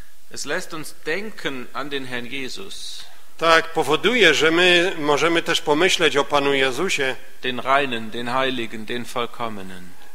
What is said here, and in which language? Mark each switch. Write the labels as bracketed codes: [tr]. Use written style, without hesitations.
[de] Es lässt uns denken an den Herrn Jesus. [pl] Tak, powoduje, że my możemy też pomyśleć o Panu Jezusie. [de] Den reinen, den heiligen, den vollkommenen.